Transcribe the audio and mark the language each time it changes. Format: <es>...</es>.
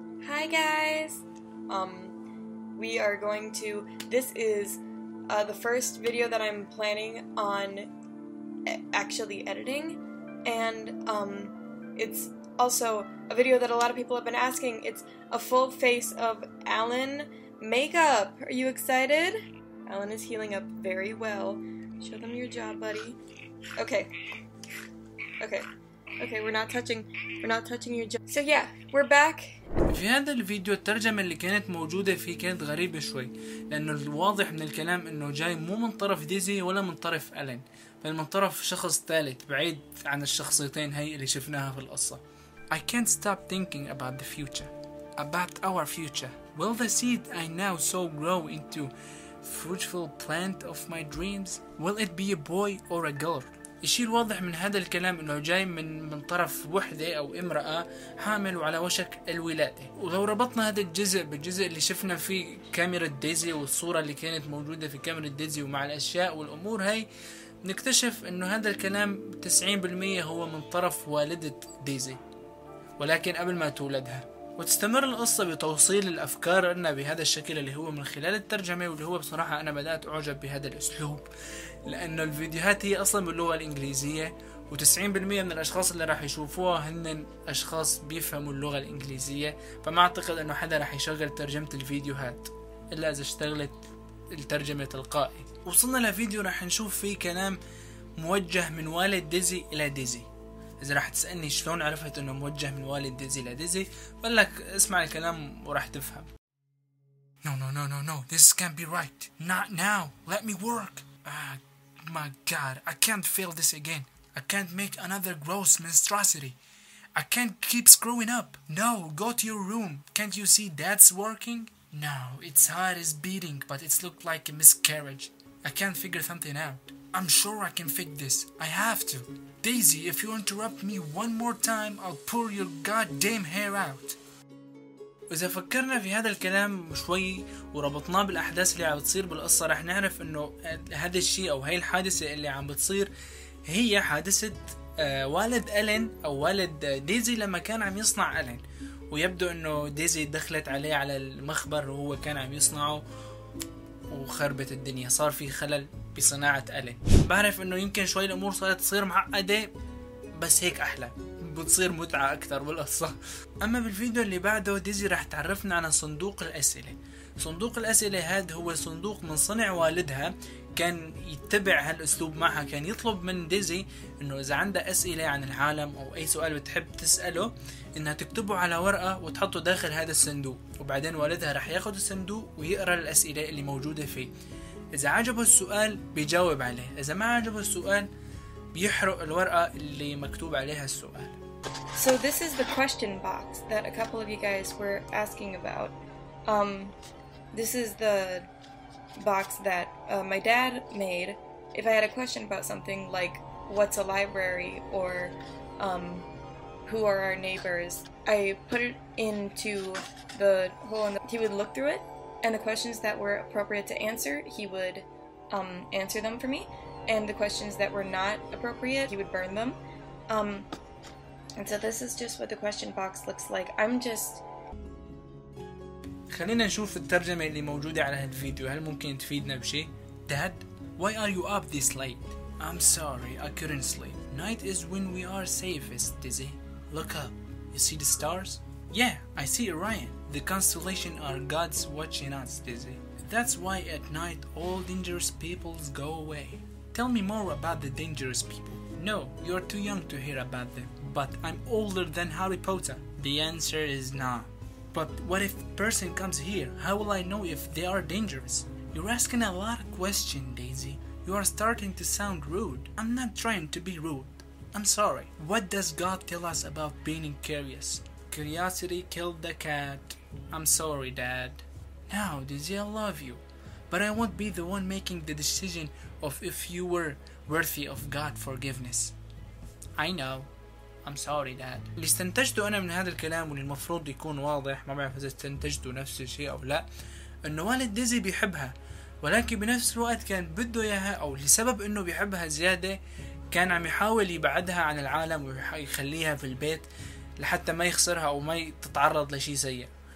<en>Hi guys, we are going to, this is the first video that I'm planning on actually editing, and it's also a video that a lot of people have been asking. It's a full face of Alan makeup. Are you excited? Alan is healing up very well. Show them your jaw, buddy. Okay, we're not touching your jaw. So yeah, we're back.</en> <ar>في هذا الفيديو الترجمة اللي كانت موجودة فيه كانت غريبة شوي، لأنه الواضح من الكلام أنه جاي مو من طرف ديزي ولا من طرف ألين، بل من طرف شخص ثالث بعيد عن الشخصيتين هاي اللي شفناها في القصة.</ar> <en>I can't stop thinking about the future, about our future. Will the seed I now sow grow into fruitful plant of my dreams? Will it be a boy or a girl?</en> <ar>الشيء الواضح من هذا الكلام انه جاي من طرف وحدة او امرأة حامل وعلى وشك الولادة. ولو ربطنا هذا الجزء بالجزء اللي شفنا فيه كاميرا ديزي والصورة اللي كانت موجودة في كاميرا ديزي ومع الاشياء والامور هاي، نكتشف انه هذا الكلام 90% هو من طرف والدة ديزي ولكن قبل ما تولدها. وتستمر القصة بتوصيل الأفكار لنا بهذا الشكل اللي هو من خلال الترجمة، واللي هو بصراحة أنا بدأت أعجب بهذا الأسلوب لأنه الفيديوهات هي أصلا باللغة الإنجليزية، و90% من الأشخاص اللي راح يشوفوها هن أشخاص بيفهموا اللغة الإنجليزية، فما أعتقد أنه حدا راح يشغل ترجمة الفيديوهات إلا إذا اشتغلت الترجمة تلقائي. وصلنا لفيديو راح نشوف فيه كلام موجه من والد ديزي إلى ديزي. إذا راح تسألني شلون عرفت أنه موجه من والد ديزي لديزي، بقول لك اسمع الكلام وراح تفهم.</ar> <en>No no no no no, this can't be right. Not now. Let me work. My God, I can't fail this again. I can't make another gross monstrosity. I can't keep screwing up. No, go to your room. Can't you see that's working? No, its heart is beating, but it's looked like a miscarriage. I can't figure something out. I'm sure I can fix this. I have to. Daisy, if you interrupt me one more time, I'll pull your goddamn hair out.</en> <ar>إذا فكرنا في هذا الكلام شوي وربطناه بالأحداث اللي عم بتصير بالقصة، رح نعرف إنه هذا الشيء أو هاي الحادثة اللي عم بتصير هي حادثة والد ألين أو والد ديزي لما كان عم يصنع ألين، ويبدو إنه ديزي دخلت عليه على المخبر وهو كان عم يصنعه وخربت الدنيا، صار في خلل بصناعة ألين. بعرف انه يمكن شوي الامور صارت تصير معقدة بس هيك احلى، بتصير متعة أكثر بالقصة. أما بالفيديو اللي بعده ديزي راح تعرفنا عن صندوق الأسئلة. صندوق الأسئلة هذا هو صندوق من صنع والدها، كان يتبع هالأسلوب معها، كان يطلب من ديزي إنه إذا عندها أسئلة عن العالم أو أي سؤال بتحب تسأله إنها تكتبه على ورقة وتحطه داخل هذا الصندوق، وبعدين والدها راح يأخذ الصندوق ويقرأ الأسئلة اللي موجودة فيه. إذا عجبه السؤال بيجاوب عليه، إذا ما عجبه السؤال بيحرق الورقة اللي مكتوب عليها السؤال.</ar> <en>So this is the question box that a couple of you guys were asking about. This is the box that my dad made if I had a question about something like what's a library or who are our neighbors. I put it into the hole and he would look through it, and the questions that were appropriate to answer he would answer them for me, and the questions that were not appropriate he would burn them. And so this is just what the question box looks like. I'm just</en> <ar>خلينا نشوف الترجمة اللي موجودة على هالفيديو، هل ممكن تفيدنا بشي؟</ar> <en>Dad, why are you up this late? I'm sorry, I couldn't sleep. Night is when we are safest, Dizzy. Look up. You see the stars? Yeah, I see Orion. The constellation are gods watching us, Dizzy. That's why at night all dangerous peoples go away. Tell me more about the dangerous people. No, you're too young to hear about them. But I'm older than Harry Potter. The answer is nah. But what if a person comes here? How will I know if they are dangerous? You're asking a lot of questions, Daisy. You are starting to sound rude. I'm not trying to be rude. I'm sorry. What does God tell us about being curious? Curiosity killed the cat. I'm sorry, Dad. Now, Daisy, I love you. But I won't be the one making the decision of if you were worthy of God's forgiveness. I know. I'm sorry, Dad.</en> <ar>اللي استنتجته أنا من هذا الكلام واللي المفروض يكون واضح، ما بعرف إذا استنتجته نفس الشيء أو لا، إنه والد ديزي بيحبها، ولكن بنفس الوقت كان بده إياها، أو لسبب إنه بيحبها زيادة كان عم يحاول يبعدها عن العالم ويخليها في البيت لحتى ما يخسرها أو ما تتعرض لشيء سيء.</ar>